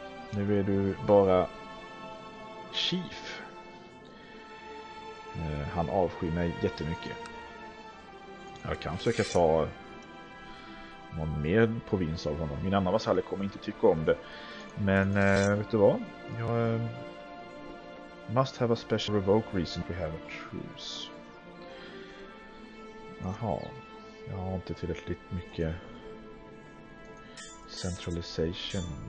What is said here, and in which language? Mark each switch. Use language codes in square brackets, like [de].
[sv] Nu är du bara... chief. Han avskyr mig jättemycket. Jag kan försöka ta någon mer provins av honom. Min andra vasalle kommer inte tycka om det. Men vet du vad? Jag [en] must have a special revoke reason to have a truce. [sv] Jaha. Jag har inte tillräckligt mycket centralization.